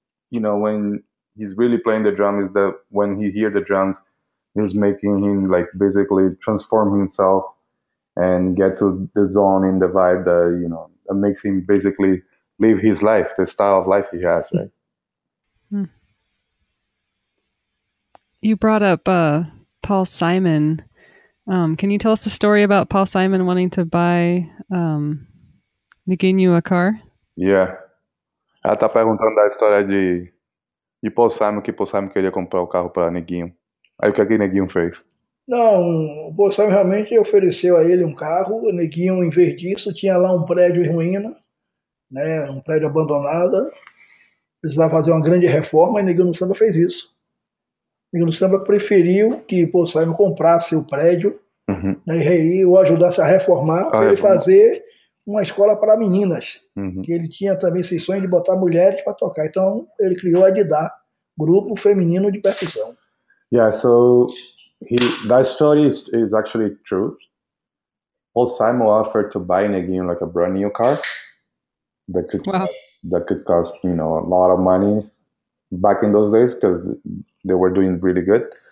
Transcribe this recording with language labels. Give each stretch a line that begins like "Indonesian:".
English: You know, when he's really playing the drum, is that when he hears the drums, he's making him like basically transform himself and get to the zone in the vibe that, you know, that makes him basically live his life, the style of life he has, right? You brought up Paul Simon. Can you tell us a story about Paul Simon wanting to buy Niginho a car? Yeah.
Portuguese: Ela tá perguntando da história de Paul Simon, que Paul Simon queria comprar o carro para Niginho. Aí o que é que Niginho fez? Não, o Paul Simon realmente ofereceu a ele um carro. O Niginho, em vez disso, tinha lá um prédio em ruína, né, um prédio abandonado. Precisava fazer uma grande reforma e Niginho Samba fez isso. Niginho Samba preferiu que Paul Simon comprasse o prédio, uhum, né, e o ajudasse a reformar para ele fazer uma escola para meninas. Uhum. Que ele tinha também esse sonho de botar mulheres para tocar. Então ele criou a Didá, grupo feminino de percussão.
English: Yeah, so that story is actually true. Paul Simon offered to buy Niginho like a brand new car that could, wow, that could cost, you know, a lot of money back in those days because they were doing really good.